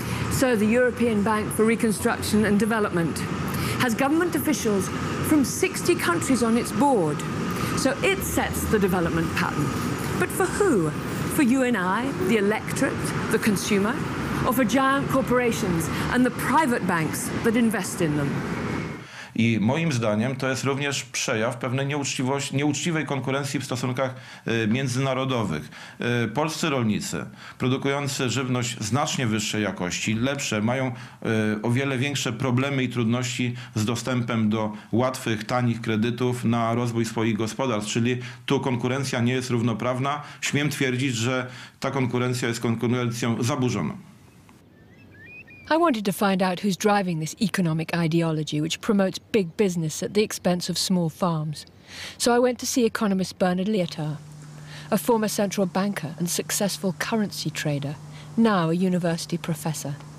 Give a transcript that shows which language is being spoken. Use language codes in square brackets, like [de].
[en] So the European Bank for Reconstruction and Development has government officials from 60 countries on its board. So it sets the development pattern. But for who? For you and I, the electorate, the consumer, or for giant corporations and the private banks that invest in them? [pl] I moim zdaniem to jest również przejaw pewnej nieuczciwej konkurencji w stosunkach międzynarodowych. Polscy rolnicy, produkujący żywność znacznie wyższej jakości, lepsze, mają o wiele większe problemy i trudności z dostępem do łatwych, tanich kredytów na rozwój swoich gospodarstw, czyli tu konkurencja nie jest równoprawna. Śmiem twierdzić, że ta konkurencja jest konkurencją zaburzoną. [en] I wanted to find out who's driving this economic ideology which promotes big business at the expense of small farms. So I went to see economist Bernard Leotard, a former central banker and successful currency trader, now a university professor.